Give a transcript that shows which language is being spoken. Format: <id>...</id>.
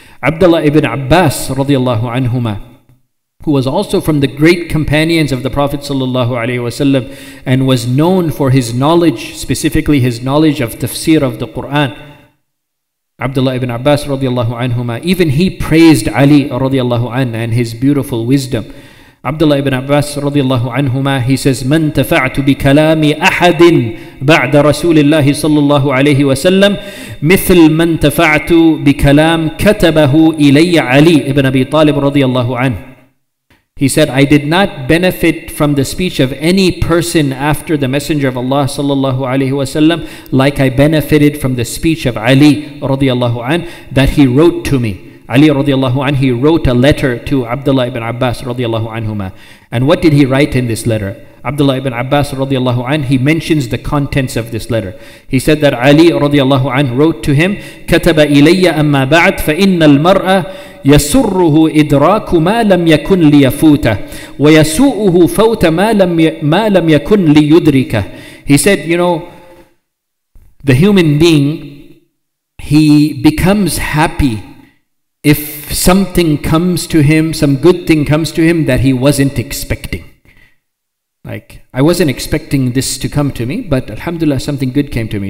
<en>Abdullah ibn Abbas radiallahu anhuma, who was also from the great companions of the Prophet sallallahu alayhi wasallam and was known for his knowledge, specifically his knowledge of tafsir of the Qur'an. Abdullah ibn Abbas radiallahu anhuma, even he praised Ali radiallahu anhu and his beautiful wisdom.</en> <ar>Abdullah ibn Abbas radiyallahu anhuma,</ar> <en>he says,</en> <ar>مَنْ تَفَعْتُ بِكَلَامِ أَحَدٍ بَعْدَ رَسُولِ اللَّهِ صَلَّى اللَّهُ عَلَيْهِ وَسَلَّمْ مِثْلْ مَنْ تَفَعْتُ بِكَلَامِ كَتَبَهُ إِلَيَّ عَلِي ibn Abi Talib radiyallahu anhu.</ar> <en>He said, I did not benefit from the speech of any person after the Messenger of Allah sallallahu alayhi wasallam like I benefited from the speech of Ali radiyallahu anhu that he wrote to me. Ali radiallahu anhu, he wrote a letter to Abdullah ibn Abbas radiallahu anhuma. And what did he write in this letter? Abdullah ibn Abbas radiallahu anhu, he mentions the contents of this letter. He said that Ali radiallahu anhu wrote to him,</en> <ar>كَتَبَ إِلَيَّ أَمَّا بَعْدْ فَإِنَّ الْمَرْأَ يَسُرُّهُ إِدْرَاكُ مَا لَمْ يَكُنْ لِيَفُوتَهُ وَيَسُوءُهُ فَوْتَ مَا لَمْ يَكُنْ لِيُدْرِكَهُ.</ar> <en>He said, you know, the human being, he becomes happy if something comes to him, some good thing comes to him that he wasn't expecting. Like, I wasn't expecting this to come to me, but alhamdulillah, something good came to me.</en>